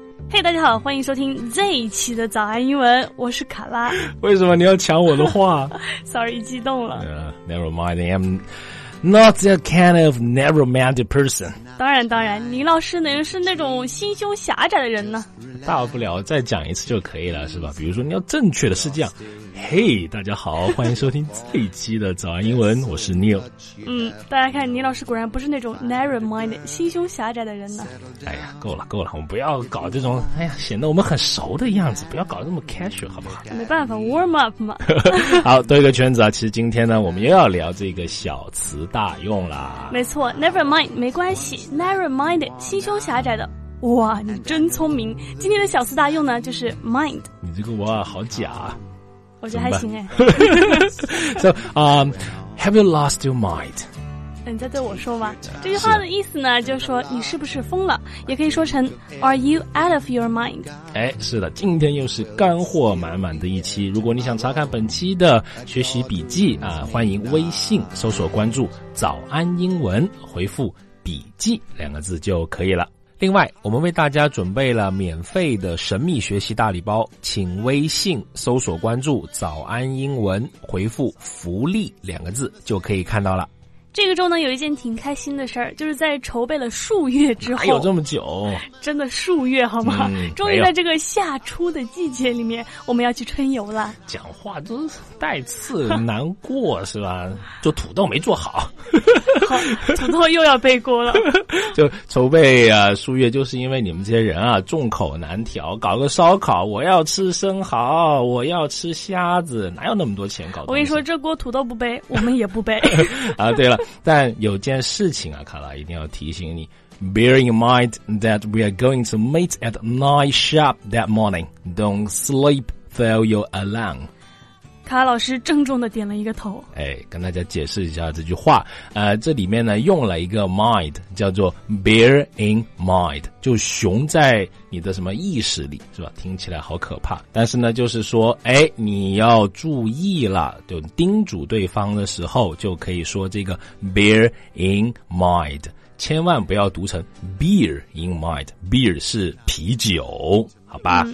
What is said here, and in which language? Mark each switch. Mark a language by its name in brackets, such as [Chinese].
[Chinese] 嘿，大家好，欢迎收听这一期的早安英文，我是卡拉。为什么你要抢我的话？ [English] Sorry， [Chinese] 激动了。 [English] Never mind, I'm not that kind of narrow-minded person. [Chinese] 当然当然，倪老师呢是那种心胸狭窄的人呢。大不了再讲一次就可以了，是吧？比如说你要正确的是这样。 Hey, 大家好，欢迎收听这一期的早安英文，我是 Neil。大家看，倪老师果然不是那种 narrow minded 心胸狭窄的人呢。哎呀，够了够了，我们不要搞这种，哎呀，显得我们很熟的样子，不要搞这么 casual 好不好？没办法 warm up 嘛。好，多一个圈子啊。其实今天呢，我们又要聊这个小词大用啦。没错， never mind 没关系， narrow minded 心胸狭窄的。哇，你真聪明。今天的小词大用呢，就是 mind。你这个哇好假，我觉得还行。 [English] So, have you lost your mind? [Chinese] 你在对我说吗？这句话的意思呢，就是说你是不是疯了，也可以说成 [English] Are you out of your mind? [Chinese] 哎，是的，今天又是干货满满的一期。如果你想查看本期的学习笔记啊，欢迎微信搜索关注早安英文，回复笔记两个字就可以了。另外，我们为大家准备了免费的神秘学习大礼包，请微信搜索关注早安英文，回复福利两个字就可以看到了。这个周呢，有一件挺开心的事儿，就是在筹备了数月之后。哪有这么久？真的数月好吗？终于在这个夏初的季节里面，我们要去春游了。讲话都带刺难过是吧？就土豆没做好。好，土豆又要背锅了。就筹备啊，数月，就是因为你们这些人啊，众口难调，搞个烧烤，我要吃生蚝，我要吃虾子，哪有那么多钱搞？我跟你说，这锅土豆不背，我们也不背。啊，对了。但有件事情啊，卡拉一定要提醒你 [English] Bear in mind that we are going to meet at night shop that morning. Don't sleep through your alarm. [Chinese] 卡拉老师郑重地点了一个头。哎，跟大家解释一下这句话，这里面呢用了一个 mind 叫做 bear in mind， 就熊在你的什么意识里是吧，听起来好可怕，但是呢就是说，哎，你要注意了，就叮嘱对方的时候就可以说这个 bear in mind， 千万不要读成 beer in mind， beer 是啤酒好吧。